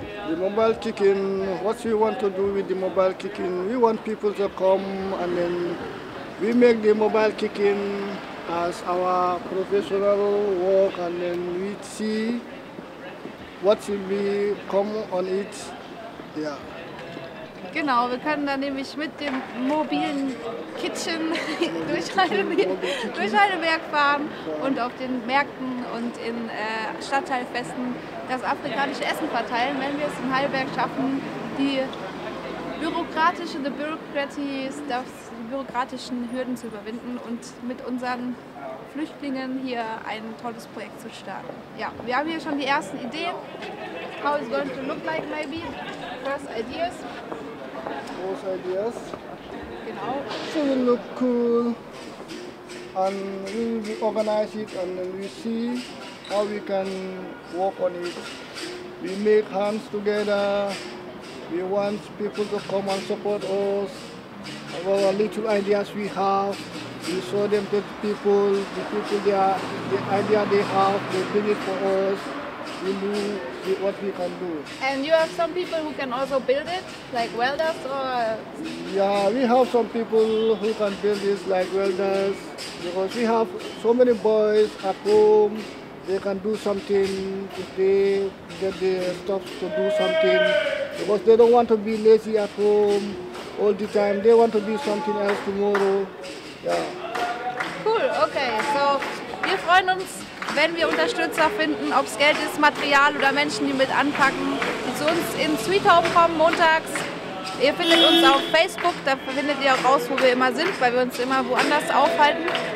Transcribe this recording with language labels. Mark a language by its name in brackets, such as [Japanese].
[English] The mobile kitchen, what we want to do with the mobile kitchen? We want people to come and then we make the mobile kitchen as our professional work, and then we see what will be come on it. Yeah. [German] Genau, wir können dann nämlich mit dem mobilen Kitchen durch Heidelberg fahren und auf den Märkten und in Stadtteilfesten das afrikanische Essen verteilen, wenn wir es in Heidelberg schaffen, die bürokratischen Hürden zu überwinden und mit unseren Flüchtlingen hier ein tolles Projekt zu starten. Ja, wir haben hier schon die ersten Ideen. [English] How it's going to look like maybe. First ideas. Those ideas. [German] Genau. [English] So we look cool and we will organize it and then we see how we can work on it. We make hands together. We want people to come and support us. Our little ideas we have, we show them to the people, the idea they have, they bring it for us, we do what we can do. And you have some people who can also build it, like welders or...? Yeah, we have some people who can build it, like welders, because we have so many boys at home, they can do something if they get the stuff to do something, because they don't want to be lazy at home. All the time, they want to be something else tomorrow. Yeah. Cool, okay. [German] So, wir freuen uns, wenn wir Unterstützer finden, ob es Geld ist, Material oder Menschen, die mit anpacken, die zu uns in Sweet Home kommen montags. Ihr findet uns auf Facebook, da findet ihr auch raus, wo wir immer sind, weil wir uns immer woanders aufhalten.